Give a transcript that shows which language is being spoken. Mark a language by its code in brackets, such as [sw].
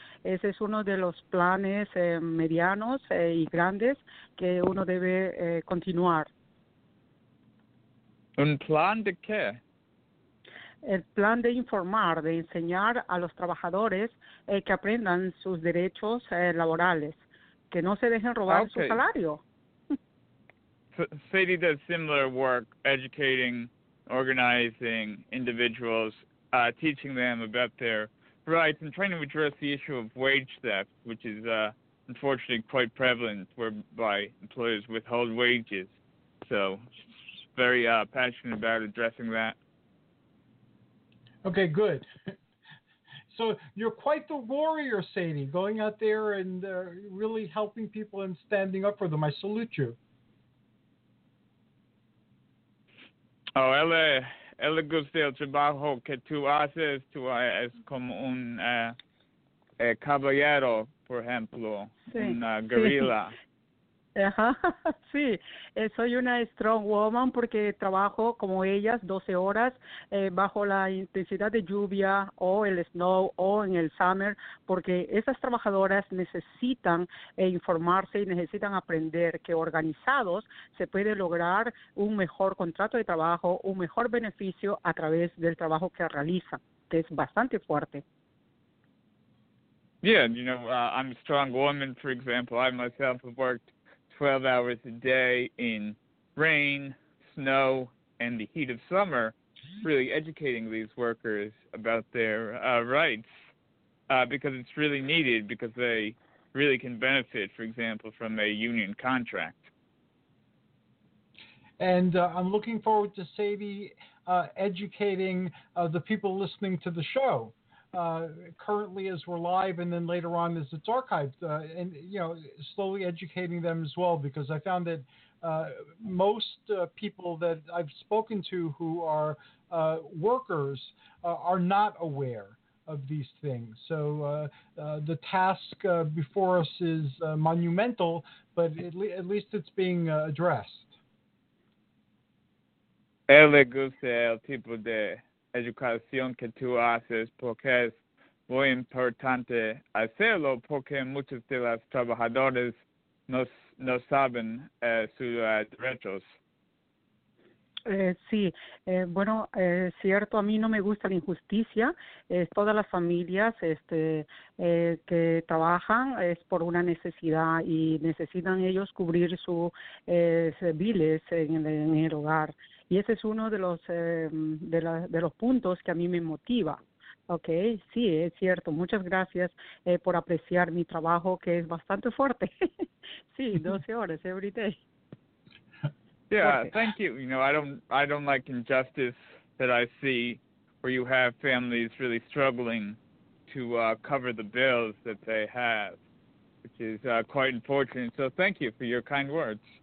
[es] Ese es uno de los planes medianos y grandes que uno debe continuar. ¿Un plan de qué? El plan de informar, de enseñar a los trabajadores que aprendan sus derechos laborales, que no se dejen robar [en] okay. [es] su salario. [en] Sadie does similar work, educating, organizing individuals, teaching them about their rights and trying to address the issue of wage theft, which is unfortunately quite prevalent, whereby employers withhold wages. So she's very passionate about addressing that. Okay, good. So you're quite the warrior, Sadie, going out there and really helping people and standing up for them. I salute you. [es] Oh, ella gusta el trabajo que tú haces. Tú eres como un caballero, por ejemplo, sí. una guerrilla. Sí. Ajá, sí, soy una [en] strong woman [es] porque trabajo como ellas 12 horas bajo la intensidad de lluvia o el [en] snow [es] o en el [en] summer, [es] porque esas trabajadoras necesitan informarse y necesitan aprender que organizados se puede lograr un mejor contrato de trabajo, un mejor beneficio a través del trabajo que realizan, que es bastante fuerte. [en] Yeah, you know, I'm a strong woman, for example. I myself have worked 12 hours a day in rain, snow, and the heat of summer, really educating these workers about their rights because it's really needed, because they really can benefit, for example, from a union contract. And I'm looking forward to Sadie educating the people listening to the show. Currently as we're live and then later on as it's archived and, you know, slowly educating them as well, because I found that most people that I've spoken to who are workers are not aware of these things. So the task before us is monumental, but at least it's being addressed. [es] Ele gusta el tipo de educación que tú haces porque es muy importante hacerlo porque muchos de los trabajadores no saben sus derechos. Sí, bueno, es cierto, a mí no me gusta la injusticia. Todas las familias que trabajan es por una necesidad y necesitan ellos cubrir sus biles en el hogar. Y ese es uno de los de los puntos que a mí me motiva. Okay, sí, es cierto. Muchas gracias por apreciar mi trabajo, que es bastante fuerte. Sí, 12 horas [en] every day. Yeah, thank you. You know, I don't like injustice that I see where you have families really struggling to cover the bills that they have. which is quite unfortunate. So thank you for your kind words.